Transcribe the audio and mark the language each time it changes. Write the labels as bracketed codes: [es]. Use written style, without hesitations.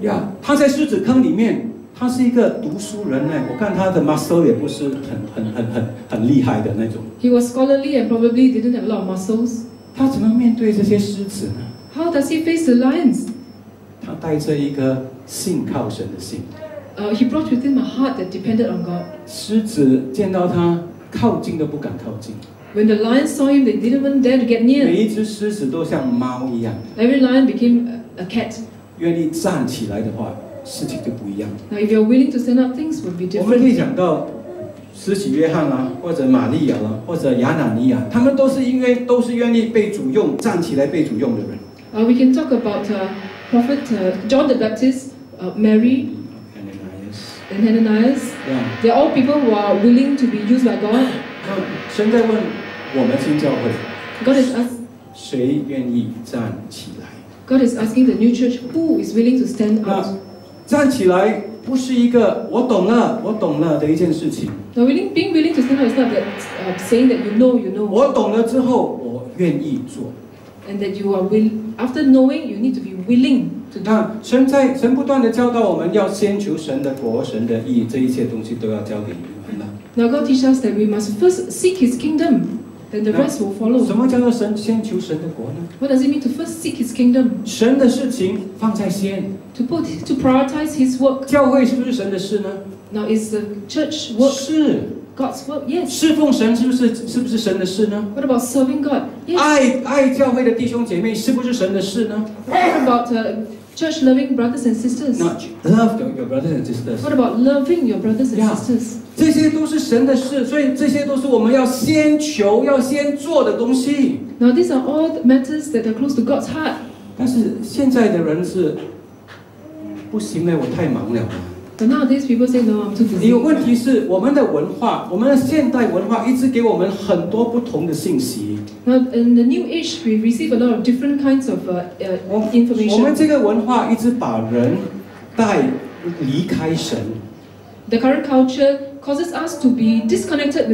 [zh] Yeah, 他在狮子坑里面。他是一个读书人呢，我看他的 muscle 也不是很厉害的那种。 [en] He was scholarly and probably didn't have a lot of muscles. [zh] 他怎么面对这些狮子呢 [en] ？How does he face the lions? [zh] 他带着一个信靠神的心。 [en] He brought with him a heart that depended on God. [zh] 狮子见到他靠近都不敢靠近。 [en] When the lions saw him, they didn't even dare to get near. [zh] 每一只狮子都像猫一样。 [en] Every lion became a cat. [zh] 愿意站起来的话。事情就不一样。 [en] Now, if you're willing to stand up, things would be different. [zh] 我们可以想到，施洗约翰啊，或者玛利亚啊，或者亚拿尼亚，他们都是因为都是愿意被主用，站起来被主用的人。 [en] We can talk about Prophet John the Baptist, Mary, and Ananias. Yeah. They're all people who are willing to be used by God. [zh] 现在问我们新教会 [en] ，God is us. [zh] 谁愿意站起来 [en] ？God is asking the new church who is willing to stand up. [zh] 站起来不是一个我懂了的一件事情。 [en] Now, being willing to stand up is not that saying that you know. [zh] 我懂了之后，我愿意做。 [en] And that you are willing after knowing, you need to be willing to [zh] 那神在神不断的教导我们要先求神的国、神的义，这一切东西都要交给你们了。 [en] Now God teaches us that we must first seek His kingdom, then the rest will follow. [zh] 什么叫做神先求神的国呢 [en] ？What does it mean to first seek His kingdom? [zh] 神的事情放在先。 [en] To prioritize His work. [zh] 教会是不是神的事呢 [en] ？Now is the church work? [zh] 是。 [en] God's work, yes. [zh] 侍奉神是不是是不是神的事呢 [en] ？What about serving God? Yes. [zh] 爱教会的弟兄姐妹是不是神的事呢 [en] ？What about church loving brothers and sisters? Not love your brothers and sisters. What about loving your brothers and sisters? [zh] 这些都是神的事，所以这些都是我们要先求、要先做的东西。 [en] Now these are all the matters that are close to God's heart. [zh] 但是现在的人是不行了，我太忙了。 [en] But nowadays, people say, "No, I'm too busy." [zh] 有问题是我们的文化，我们的现代文化一直给我们很多不同的信息。 [en] Now, in the new age, we receive a lot of different kinds of information. [zh] 我们这个文化一直把人带离开神。 [en] The current culture causes us to be disconnected with God.